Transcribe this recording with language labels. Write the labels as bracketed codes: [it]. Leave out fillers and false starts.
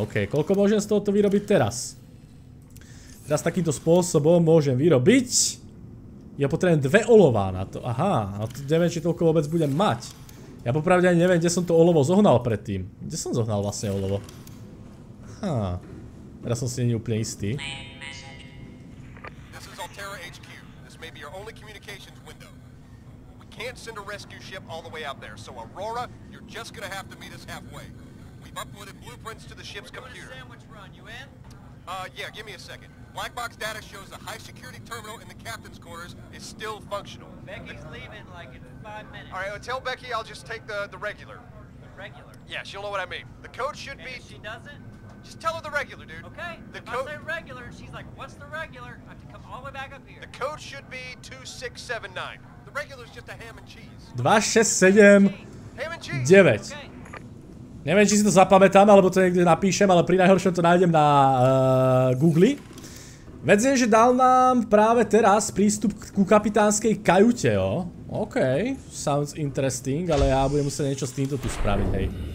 [sk] OK, koľko môžem z tohoto vyrobiť teraz? Teraz takýmto spôsobom môžem vyrobiť... Ja potrebujem dve olová na to, aha. No to neviem, či toľko vôbec budem mať. Ja popravde ani neviem, kde som to olovo zohnal predtým. Kde som zohnal vlastne olovo? Ha. Teraz som si nie úplne istý. [en] This is Altera HQ. This may be your only communications window. We can't send a rescue ship all the way out there, so Aurora, you're just gonna have to meet us halfway. We've uploaded blueprints to the ship's computer. We're doing a sandwich run, you in? Yeah, give me a second. Black box data shows the high security terminal in the captain's quarters is still functional. Becky's leaving like in 5 minutes. All right, well, tell Becky I'll just take the regular. The regular? Yeah, she'll know what I mean. The code should be... And if she doesn't? Just tell her the regular, dude. Okay, the code... I say regular and she's like, what's the regular? I have to come all the way back up here. The code should be 2679. The regular's just a ham and cheese. 2679. Ham and cheese. 9. Okay. [sk] Neviem, či si to zapamätám, alebo to niekde napíšem, ale pri najhoršom to nájdem na Google. Vec je, že dal nám práve teraz prístup ku kapitánskej kajute, jo. OK, [en] sounds interesting, [sk] ale ja budem musieť niečo s týmto tu spraviť, hej.